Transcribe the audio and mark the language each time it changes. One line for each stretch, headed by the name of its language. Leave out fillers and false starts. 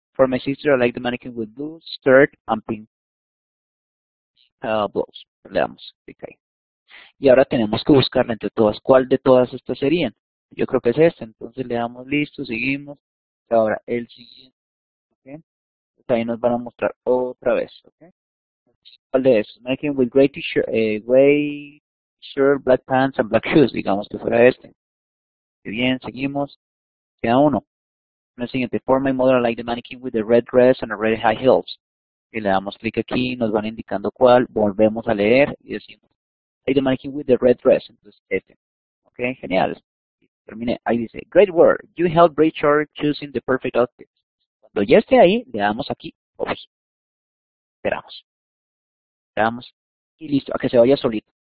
English: For my sister, I like the mannequin with blue skirt and pink blouse.
Spanish: Le damos clic ahí. Y ahora tenemos que buscarla entre todas. ¿Cuál de todas estas serían? Yo creo que es esta. Entonces le damos listo, seguimos. Ahora, el siguiente. ¿Okay? también nos van a mostrar otra vez, ¿okay? ¿Cuál de esos?
English: Mannequin with gray t-shirt, gray shirt, black pants and black shoes,
Spanish: digamos que fuera este. Muy bien, seguimos. Queda uno. En el siguiente,
English: for my mother, I like the mannequin with the red dress and the red high heels.
Spanish: Y le damos clic aquí, nos van indicando cuál, volvemos a leer y decimos,
English: I like the mannequin with the red dress,
Spanish: entonces este. Ok, genial. Terminé, ahí dice,
English: great work, you helped Richard choosing the perfect outfit.
Spanish: Cuando ya esté ahí, le damos aquí, ups. Esperamos. Le damos, y listo, a que se vaya solito.